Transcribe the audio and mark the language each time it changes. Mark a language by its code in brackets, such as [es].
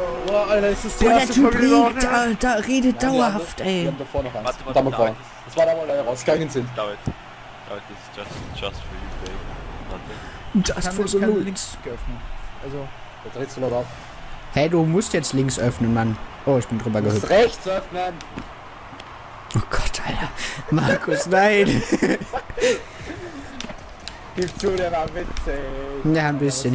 [de] Oh, Alter, ist das der erste Typ, redet dauerhaft, ey. Wir haben davor noch eins. Warte, warte, warte. Das war da mal raus. Keinen Sinn. [en] David, this is just for you, baby. Just for the loot. [de] Also, da drehst du noch auf. Hey, du musst jetzt links öffnen, Mann. Oh, ich bin drüber gehüpft. Rechts öffnen! Oh Gott, Alter. Markus, nein! Gib zu, der war witzig. Ja, ein bisschen.